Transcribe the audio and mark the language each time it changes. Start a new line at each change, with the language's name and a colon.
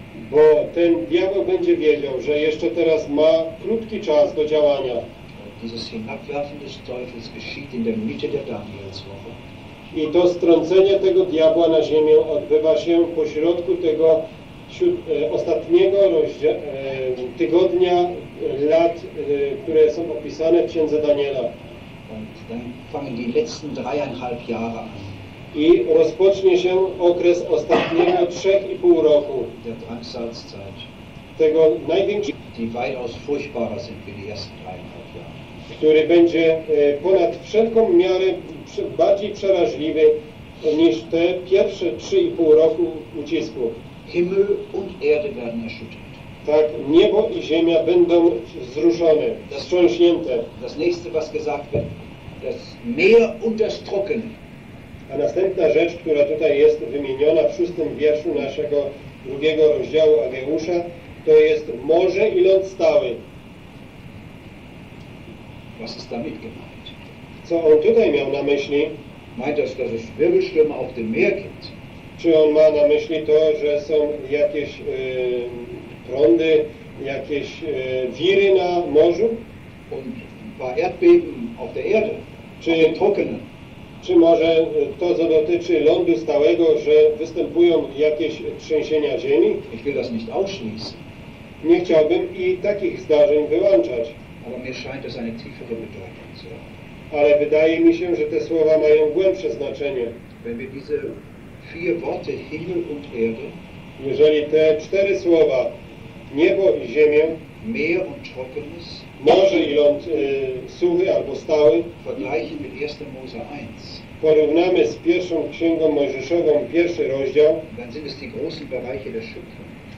Polish: Bo ten diabeł będzie wiedział, że jeszcze teraz ma krótki czas do działania.
German: Dieses Hinabwerfen des Teufels geschieht in der Mitte der Danielswoche.
Polish: I to strącenie tego diabła na ziemię odbywa się po środku tego ostatniego tygodnia lat, które są opisane w Księdze Daniela.
German: Und dann fangen die letzten dreieinhalb Jahre an.
Polish: I rozpocznie się okres ostatniego 3,5 roku.
German: Der Drangsalzeit.
Polish: Tego największego.
German: Die weitaus furchtbarer sind wie die ersten dreieinhalb Jahre.
Polish: Który będzie ponad wszelką miarę bardziej przerażliwy niż te pierwsze 3,5 roku ucisku.
German: Himmel und Erde werden erschüttert.
Polish: Tak, niebo i ziemia będą wzruszone, wstrząśnięte.
German: Das nächste, was gesagt wird, das Meer und das Trockene.
Polish: A następna rzecz, która tutaj jest wymieniona w 6 wierszu naszego 2 rozdziału Ageusza, to jest morze i ląd stały.
German: Was ist damit gemeint?
Polish: Co on tutaj miał na myśli?
German: Meint das, dass es Wirbelstürme auf dem Meer gibt?
Polish: Czy on ma na myśli to, że są jakieś prądy, jakieś wiry na morzu?
German: Und ein paar Erdbeben auf der Erde?
Polish: Czy trockene? Czy może to, co dotyczy lądu stałego, że występują jakieś trzęsienia ziemi?
German: Ich will das nicht ausschließen.
Polish: Nie chciałbym i takich zdarzeń wyłączać.
German: Aber mir scheint das eine tiefere Bedeutung zu haben.
Polish: Ale wydaje mi się, że te słowa mają głębsze znaczenie.
German: Wenn wir diese vier Worte Himmel und Erde,
Polish: jeżeli te cztery słowa niebo i ziemię,
German: Meer und Trockenes,
Polish: morze i ląd suchy albo stały,
German: vergleichen mit 1. Mose 1.
Polish: Porównamy z pierwszą księgą Mojżeszową, pierwszy rozdział.
German: Dann sind es die großen Bereiche der Schöpfung.